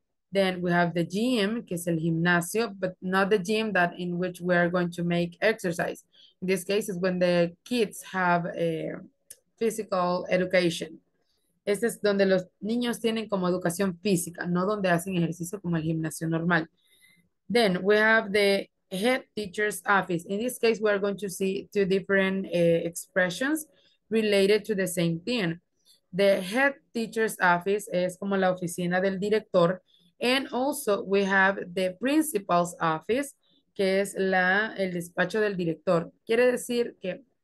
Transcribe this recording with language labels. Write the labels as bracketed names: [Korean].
[English] Then we have the gym, [Spanish] que es el gimnasio, [English] but not the gym that in which we are going to make exercise. In this case is when the kids have a physical education. [Spanish] Este es donde los niños tienen como educación física, no donde hacen ejercicio como el gimnasio normal. [English] Then we have the head teacher's office. In this case, we are going to see two different expressions related to the same thing. The head teacher's office [Spanish] es como la oficina del director. [English] And also we have the principal's office, [Spanish] que es el despacho del director. Quiere decir que